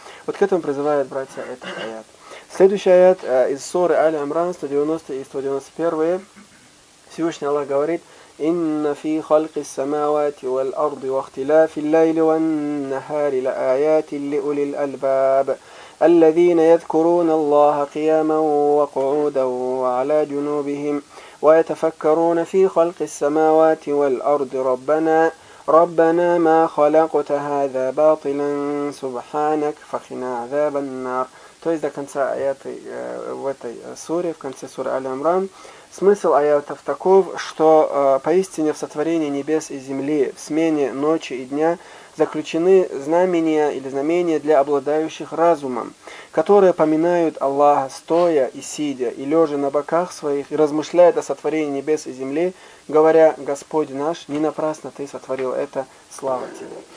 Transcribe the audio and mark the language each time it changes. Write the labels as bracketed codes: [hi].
[ru] Вот к этому призывает, братья, этот аят. Следующий аят из суры Аль-Амран, 190 и 191. Всевышний Аллах говорит, [ar] «Инна фи халки ссамавати валь-арди вахтилафи лайли ван-нахари ла аяти ли улил альбаб». الذين يذكرون الله قياما وقعودا وعلى جنوبهم ويتفكرون في خلق السماوات والأرض ربنا ما خلقت هذا باطلا سبحانك فقنا عذاب النار. [ru] То есть до конца аяты в этой суре, в конце суры Аль-Амран, смысл аятов таков, что поистине в сотворении небес и земли, в смене ночи и дня заключены знамения или знамения для обладающих разумом, которые поминают Аллаха стоя и сидя, и лежа на боках своих, и размышляют о сотворении небес и земли, говоря: «Господь наш, не напрасно ты сотворил это, слава тебе».